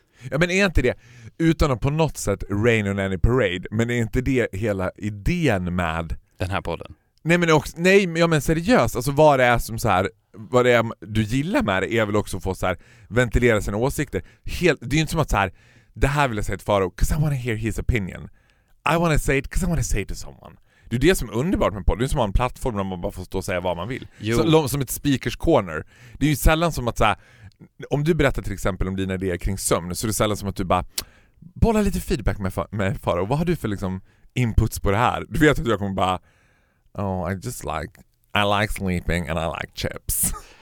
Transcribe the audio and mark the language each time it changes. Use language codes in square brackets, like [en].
[sv] Ja, men är inte det, utan att på något sätt [en] rain on any parade, [sv] men är inte det hela idén med den här podden? Nej, men också, nej, ja, men seriöst, alltså vad det är som så här, vad det är du gillar med det är väl också att få så här ventilera sina åsikter. Helt, det är ju inte som att så här, det här vill jag säga till Faro, [en] because I want to hear his opinion. I want to say it because I want to say it to someone. [sv] Det är det som är underbart med podden. Det är som att ha en plattform där man bara får stå och säga vad man vill. Så, som ett speakers corner. Det är ju sällan som att så här, om du berättar till exempel om dina idéer kring sömn, så är det sällan som att du bara bollar lite feedback med Faro. Vad har du för liksom inputs på det här? Du vet att jag kommer bara, [en] oh, I like sleeping and I like chips.